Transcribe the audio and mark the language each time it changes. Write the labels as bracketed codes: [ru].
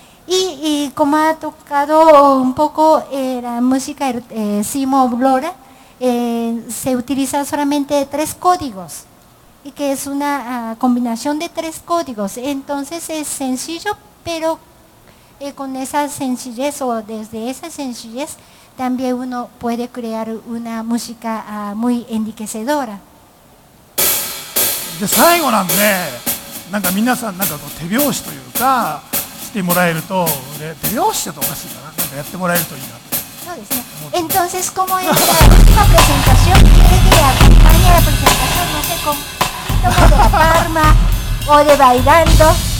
[es] Y como ha tocado un poco la música Simo Blora, se utilizan solamente tres códigos, y que es una combinación de tres códigos, entonces es sencillo, pero con esa sencillez o desde esa sencillez también uno puede crear una música muy enriquecedora. [ja] じゃあ最後なんで、なんか皆さんなんかこう手拍子というかしてもらえると、で手拍子だとおかしいかな、なんかやってもらえるといいなって。そうですね。 [es] Entonces como es la última presentación, quiere que le acompañe la presentación, no sé, con ritmo de la palma o de bailando.